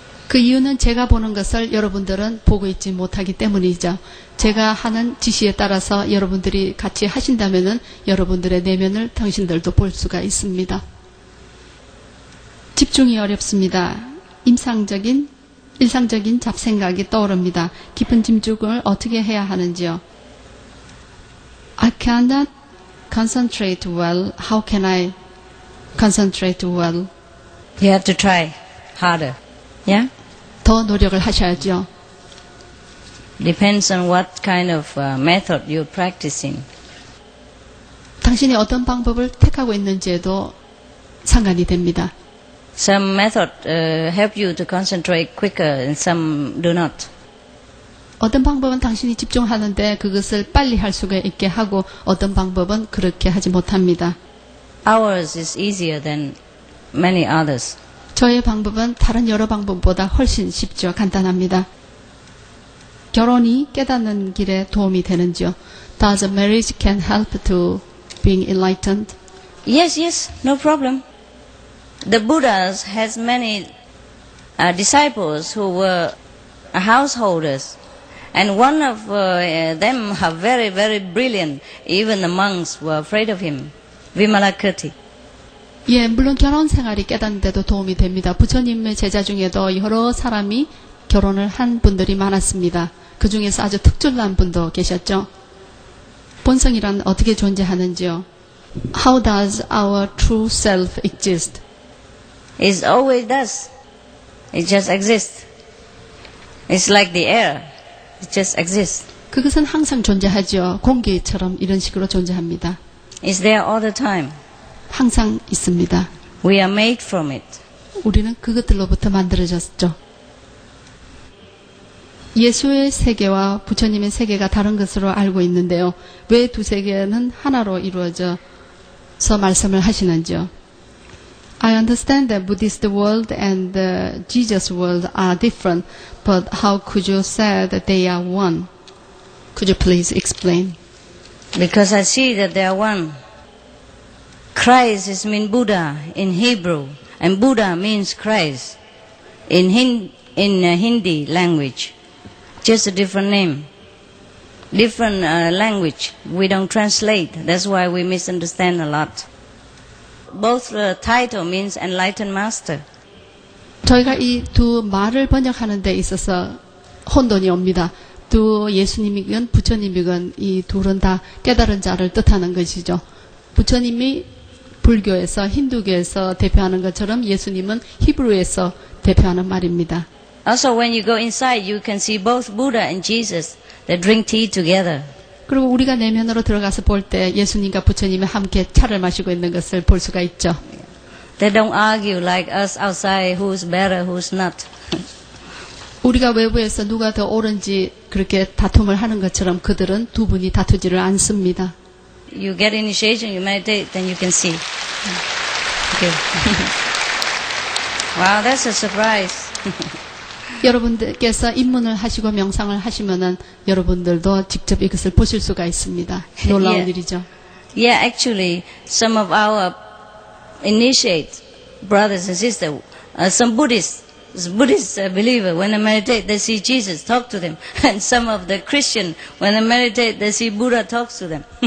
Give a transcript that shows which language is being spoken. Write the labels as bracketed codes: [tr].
[ko] 그이유는제가보는것을여러분들은보고있지못하기때문이죠제가하는지시에따라서여러분들이같이하신다면은여러분들의내면을당신들도볼수가있습니다집중이어렵습니다임상적인일상적인잡생각이떠오릅니다깊은집중을어떻게해야하는지요 [en] I cannot concentrate well. How can I concentrate well? You have to try harder. Yeah? [ko] 더노력을하셔야죠 [en] Depends on what kind of method you're practicing. [ko] 당 당신이 어떤 방법을 택하고 있는지에도 상관이 됩니다. [en] Some method help you to concentrate quicker and some do not. [ko] 어떤 방법은 당신이 집중하는데 그것을 빨리 할 수가 있게 하고 어떤 방법은 그렇게 하지 못합니다. [en] Ours is easier than many others. [ko] 저의 방법은 다른 여러 방법보다 훨씬 쉽죠. 간단합니다. 결혼이 깨닫는 길에 도움이 되는지요? [en] Does a marriage can help to being enlightened? Yes, yes, no problem. The Buddha has many disciples who were householders. And one of them are very, very brilliant. Even the monks were afraid of him. Vimalakirti. [ko] 예, 물론 결혼 생활이 깨닫는데도 도움이 됩니다. 부처님의 제자 중에도 여러 사람이 결혼을 한 분들이 많았습니다. 그 중에서 아주 특출난 분도 계셨죠. 본성이란 어떻게 존재하는지요? [en] How does our true self exist? It always does. It just exists. It's like the air. It just exists. [ko] 그것은 항상 존재하죠. 공기처럼 이런 식으로 존재합니다. [en] It's there all the time. [ko] 항상 있습니다. [en] We are made from it. [ko] 우리는 그것들로부터 만들어졌죠. 예수의 세계와 부처님의 세계가 다른 것으로 알고 있는데요. 왜 두 세계는 하나로 이루어져서 말씀을 하시는지요? [en] I understand that Buddhist world and the Jesus world are different, but how could you say that they are one? Could you please explain? Because I see that they are one. Christ is mean Buddha in Hebrew, and Buddha means Christ in Hindi language. Just a different name, different language. We don't translate. That's why we misunderstand a lot. Both the title means enlightened master. [ko] 저희가 이 두 말을 번역하는 데 있어서 혼돈이 옵니다. 두 예수님이건 부처님이건 이 둘은 다 깨달은 자를 뜻하는 것이죠. 부처님이 불교에서 힌두교에서 대표하는 것처럼 예수님은 히브리어에서 대표하는 말입니다. [en] Also, when you go inside, you can see both Buddha and Jesus. They drink tea together. [ko] 그리고 우리가 내면으로 들어가서 볼 때 예수님과 부처님이 함께 차를 마시고 있는 것을 볼 수가 있죠. [en] They don't argue like us outside who's better, who's not. [ko] 우리가 외부에서 누가 더 옳은지 그렇게 다툼을 하는 것처럼 그들은 두 분이 다투지를 않습니다. [en] You get initiation, you meditate, then you can see. Okay. Wow, that's a surprise. [ko] 여러분들께서 입문을 하시고 명상을 하시면은 여러분들도 직접 이것을 보실 수가 있습니다. 놀라운 yeah. 일이죠. [en] Yeah, actually, some of our initiate brothers and sisters, some Buddhist believer, when they meditate, they see Jesus talk to them. And some of the Christian, when they meditate, they see Buddha talks to them.